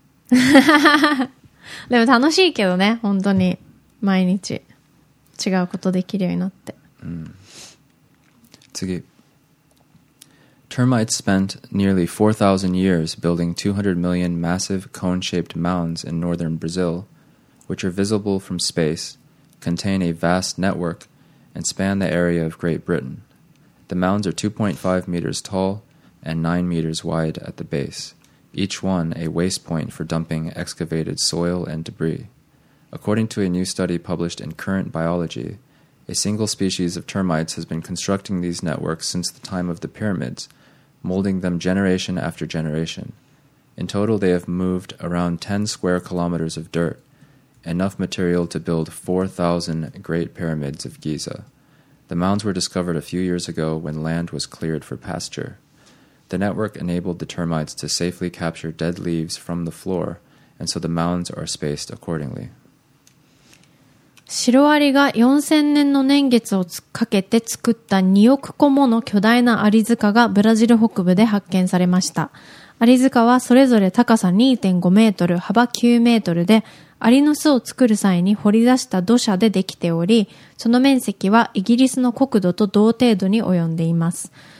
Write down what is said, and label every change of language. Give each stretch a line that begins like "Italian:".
Japanese: でも楽しいけどね、本当に。毎日。違うことできるようになって。次
English: Termites spent nearly 4,000 years building 200 million massive cone-shaped mounds in northern Brazil, which are visible from space, contain a vast network, and span the area of Great Britain. The mounds are 2.5 meters tall and 9 meters wide at the base, each one a waste point for dumping excavated soil and debris. According to a new study published in Current Biology, a single species of termites has been constructing these networks since the time of the pyramids, molding them generation after generation. In total, they have moved around 10 square kilometers of dirt, enough material to build 4,000 Great Pyramids of Giza. The mounds were discovered a few years ago when land was cleared for pasture. The network enabled the termites to safely capture dead leaves from the floor, and so the mounds are spaced accordingly.
Japanese: シロアリが4000年の年月をかけて作った2億個もの巨大なアリ塚がブラジル北部で発見されました。アリ塚はそれぞれ高さ 2.5 メートル、幅9メートルで、アリの巣を作る際に掘り出した土砂でできており、その面積はイギリスの国土と同程度に及んでいます。